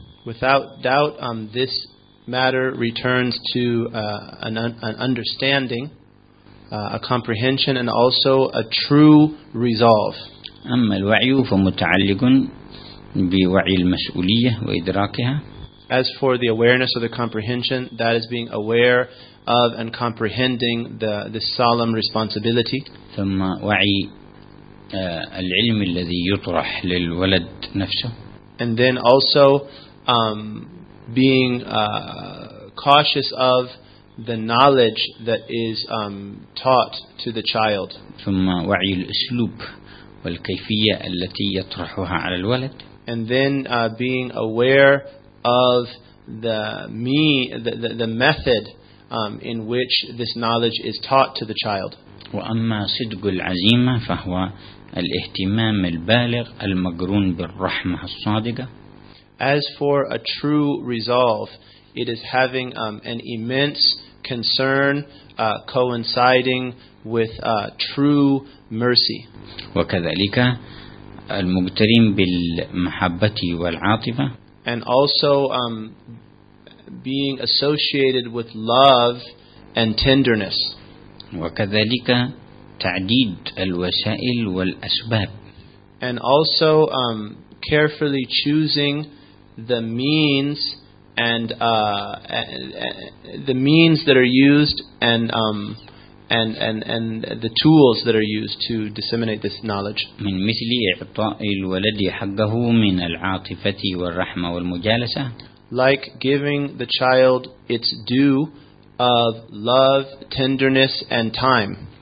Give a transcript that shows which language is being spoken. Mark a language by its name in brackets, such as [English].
[English] Without doubt, this matter returns to an understanding, a comprehension, and also a true resolve. [Arabic] أما الوعي فمتعلق بوعي المسؤولية وإدراكها. [English] As for the awareness or the comprehension, that is being aware of and comprehending the solemn responsibility. [Arabic] ثم وعي العلم الذي يطرح للولد نفسه. [English] And then also being cautious of the knowledge that is taught to the child. [Arabic] ثم وعي الأسلوب والكيفية التي يطرحها على الولد. [English] And then being aware of the method in which this knowledge is taught to the child. [Arabic] وأما صدق العزيمة فهو الاهتمام البالغ المقرون بالرحمة الصادقة. [English] As for a true resolve, it is having an immense concern coinciding with true mercy. [Arabic] وكذلك المقترن بالمحبة والعاطفة. [English] And also being associated with love and tenderness. [Arabic] وكذلك تعديد الوسائل والأسباب. [English] And also carefully choosing the means and the means that are used and the tools that are used to disseminate this knowledge. [Arabic] من مثل إعطاء الولد حقه من العاطفة والرحمة والمجالسة. [English] Like giving the child its due of love, tenderness, and time.